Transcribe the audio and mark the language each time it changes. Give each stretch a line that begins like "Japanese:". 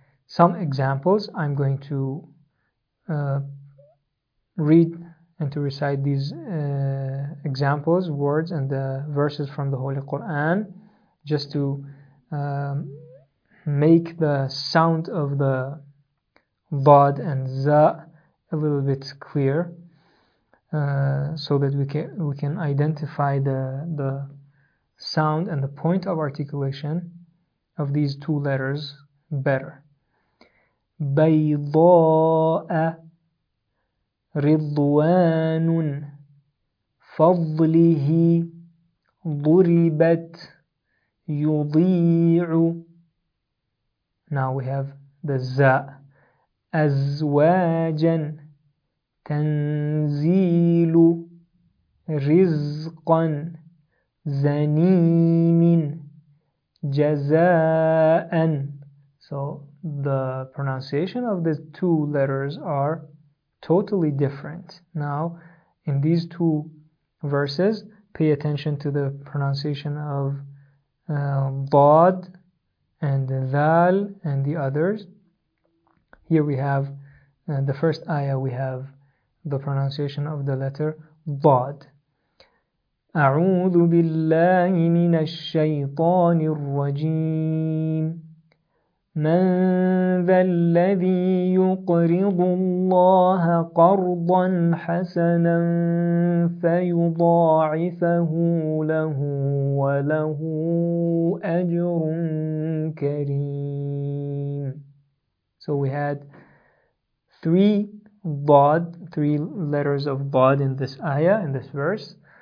English: Some examples, I'm going to read and to recite these examples, words, and the verses from the Holy Quran, just to make the sound of the bad and za a little bit clear, so that we can identify the sound and the point of articulation of these two letters better.
Arabic: بيضاء رضوان فضله ضربت يضيع.
English: Now we have the زاء.
Arabic: أزواجا تنزيل رزقا زنين جزاء.
English: So the pronunciation of the two letters are totally different. Now, in these two verses, pay attention to the pronunciation of ضاد and ذال and the others. Here we have the first ayah, we have the pronunciation of the letter ضاد.
Arabic: أعوذ بالله من الشيطان الرجيم. من ذا الذي يقرض الله قرضا حسنا فيضاعفه له وله أجر كريم.
English: So we had three letters of ضاد in this ayah, in this verse.